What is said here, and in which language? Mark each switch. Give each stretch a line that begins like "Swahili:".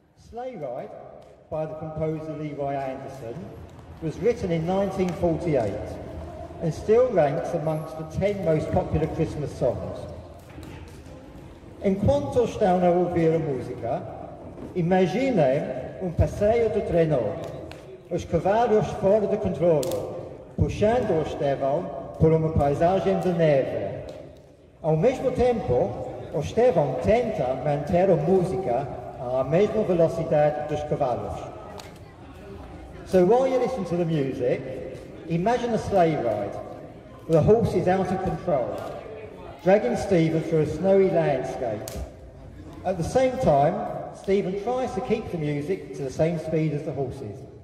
English: playwright by the composer Leroy Anderson, was written in 1948 and still ranks amongst the 10 most popular Christmas songs.
Portuguese: En quanto stão a ouvir a música, imaginem passeio de treino, os cavalos fora de controle, puxando o Estevão por uma paisagem de neve. Ao mesmo tempo, o Estevão tenta manter a música à mesma velocidade dos cavalos.
English: So while you listen to the music, imagine a sleigh ride. The horse is out of control, dragging Stephen through a snowy landscape. At the same time, Stephen tries to keep the music to the same speed as the horses.